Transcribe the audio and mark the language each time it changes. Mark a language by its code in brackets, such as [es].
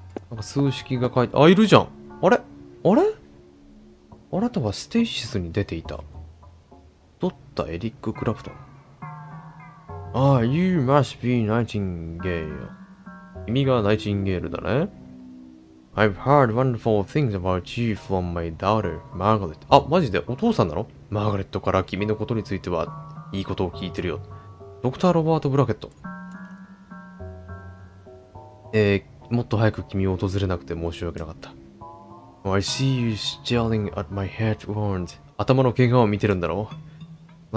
[ja] なんか数式が書いて、あ、いるじゃん。あれ？あれ？あなたはステイシスに出ていた。ドッタ・エリック・クラプトン。 [en] ああ、You must be Nightingale. [ja] 君がナイチンゲールだね。 [en] I've heard wonderful things about you from my daughter, Margaret. [ja] あ、マジでお父さんなの？マーガレットから君のことについてはいいことを聞いてるよ。ドクター・ロバート・ブラケット。もっと早く君を訪れなくて申し訳なかった。 [en] Oh, I see you staring at my head wound. [ja] 頭の怪我を見てるんだろう？